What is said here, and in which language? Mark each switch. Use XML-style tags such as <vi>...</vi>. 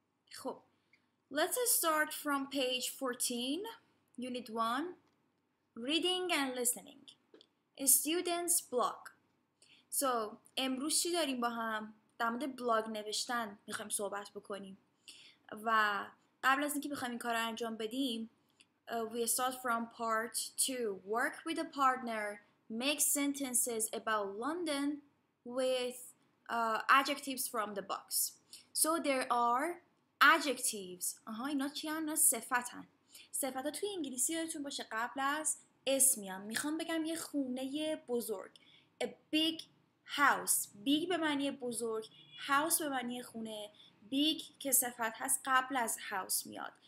<en>خب Let's start from page 14, unit 1, reading and listening. Students block.</en> <fa>So, امروز چی داریم با هم؟ در مورد بلاگ نوشتن میخوایم صحبت بکنیم. و قبل از اینکه بخوایم این کار رو انجام بدیم</fa> <en>we start from part 2. Work with a partner. Make sentences about London with adjectives from the box. So there are adjectives.</en> <fa>آها اینا چی هم؟ اینا صفت هم. صفت ها توی انگلیسی هایتون باشه قبل از اسمی هم. میخوام بگم یه خونه بزرگ.</fa> <en>A big house.</en> <fa>Big به معنی بزرگ. House به معنی خونه. Big که صفت هست قبل از house میاد.</fa>